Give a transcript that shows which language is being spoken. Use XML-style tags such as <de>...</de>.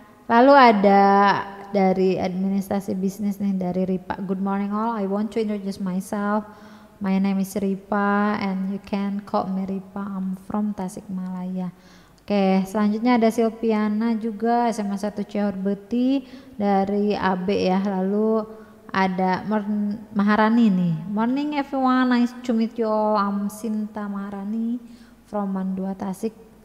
<id>Lalu ada dari administrasi bisnis nih, dari Ripa.</id> <en>Good morning all, I want to introduce myself. My name is Ripa and you can call me Ripa, I'm from Tasikmalaya.</en> <id>Oke, okay, selanjutnya ada Silviana juga, SMA 1 Cihor Beuti dari AB ya. Lalu ada Maharani nih.</id> <en>Morning everyone, nice to meet you all, I'm Sinta Maharani from Mandua Tasik.</en>